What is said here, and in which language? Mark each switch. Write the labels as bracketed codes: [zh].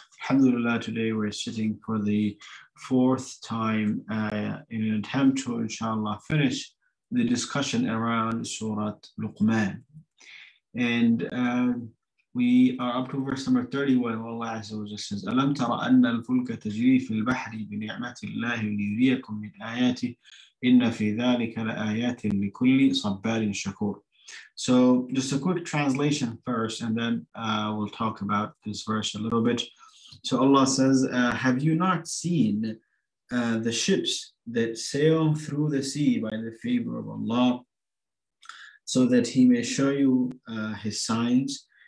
[en] Alhamdulillah, today we're sitting for the fourth time in an attempt to, inshallah, finish the discussion around Surah Luqman. And we are up to verse number 31. Allah Azza wa Jalla says, [ar] أَلَمْ تَرَ أَنَّ الْفُلْكَ تَجْرِي فِي الْبَحْرِ بِنِعْمَةِ اللَّهِ لِيُرِيَكُمْ مِنْ آيَاتِهِ إِنَّ فِي ذَلِكَ لَآيَاتٍ لِكُلِّ صَبَّارٍ شَكُورٍ. [en] So just a quick translation first, and then we'll talk about this verse a little bit. So Allah says, have you not seen the ships that sail through the sea by the favor of Allah, so that he may show you his signs?